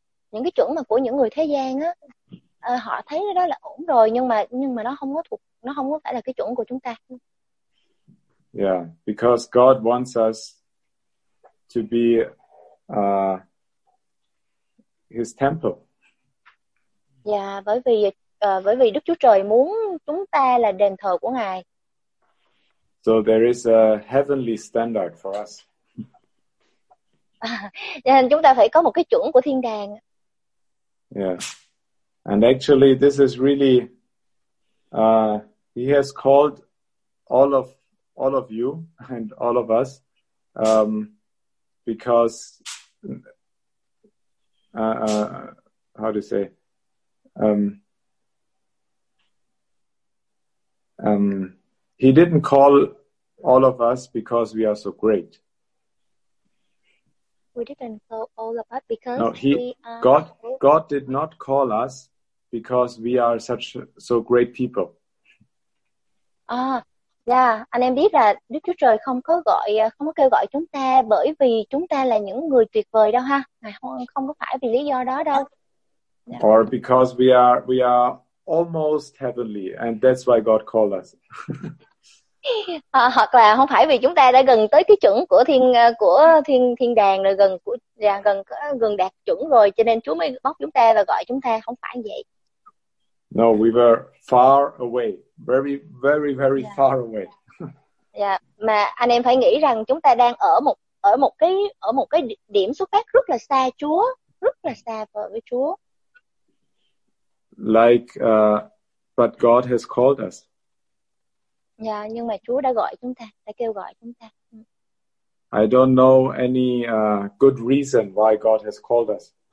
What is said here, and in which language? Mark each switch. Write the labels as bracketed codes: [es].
[vi] Những cái chuẩn mà của những người thế gian á, họ thấy đó là ổn rồi, nhưng mà nó không có phải là cái chuẩn của chúng ta. [en] Yeah, because God wants us to be his temple. [vi] Yeah, bởi vì Đức Chúa Trời muốn chúng ta là đền thờ của Ngài. [en] So there is a heavenly standard for us. [vi] Nên chúng ta phải có một cái chuẩn của thiên đàng. [en] Yeah, and actually, this is really—he has called all of you and all of us, because he didn't call all of us because we are so great. We didn't call all of us because God did not call us because we are so great people. [vi] Anh em biết là Đức Chúa Trời không có kêu gọi chúng ta bởi vì chúng ta là những người tuyệt vời đâu ha. Không có phải vì lý do đó đâu. [en] Yeah. Or because we are almost heavenly and that's why God called us. [vi] Hoặc là không phải vì chúng ta đã gần tới cái chuẩn của thiên đàng rồi, gần đạt chuẩn rồi, cho nên Chúa mới bóc chúng ta và gọi chúng ta, không phải vậy. [en] No, we were far away, very very very yeah. far away. Yeah. [vi] Mà anh em phải nghĩ rằng chúng ta đang ở một cái điểm xuất phát rất là xa Chúa, rất là xa với Chúa. [en] Like but God has called us. [vi] Yeah, nhưng mà Chúa đã gọi chúng ta, đã kêu gọi chúng ta. [en] I don't know any good reason why God has called us.